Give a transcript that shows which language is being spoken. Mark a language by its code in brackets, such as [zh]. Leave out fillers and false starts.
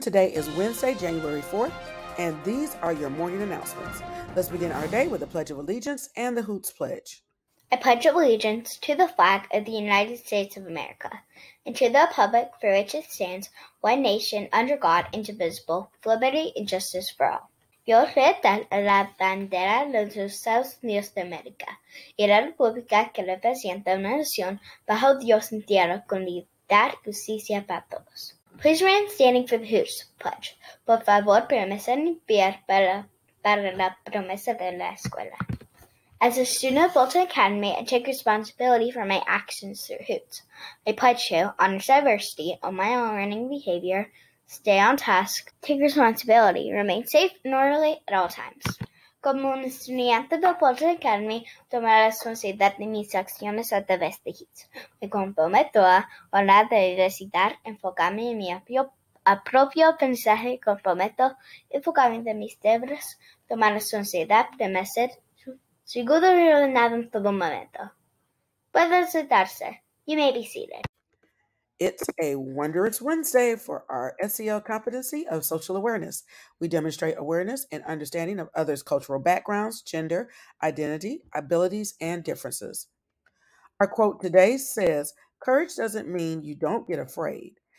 [en] Today is Wednesday, January 4th, and these are your morning announcements. Let's begin our day with the Pledge of Allegiance and the Hoots Pledge. I pledge allegiance to the flag of the United States of America, and to the republic for which it stands, one nation, under God, indivisible, with liberty and justice for all. [es] Yo soy la bandera de los Estados Unidos de América, y la república que representa una nación bajo Dios en tierra con libertad y justicia para todos. [en] Please remain standing for the Hoots Pledge. [es] Por favor, permanezcan en pie para la promesa de la escuela. [en] As a student of Bolton Academy, I take responsibility for my actions through Hoots. I pledge to honor diversity, own my own learning behavior, stay on task, take responsibility, remain safe and orderly at all times. [es] Como un estudiante de Bolton Academy, tomo la responsabilidad de mis acciones a través de Hoots. Me comprometo a honrar la diversidad, enfocarme en mi propio aprendizaje, comprometo enfocarme en mis deberes, tomar la responsabilidad de merecer seguro y ordenado en todo momento. Puedes sentarse. [en] You may be seated. It's a wondrous Wednesday for our SEL competency of social awareness. We demonstrate awareness and understanding of others' cultural backgrounds, gender, identity, abilities, and differences. Our quote today says, courage doesn't mean you don't get afraid.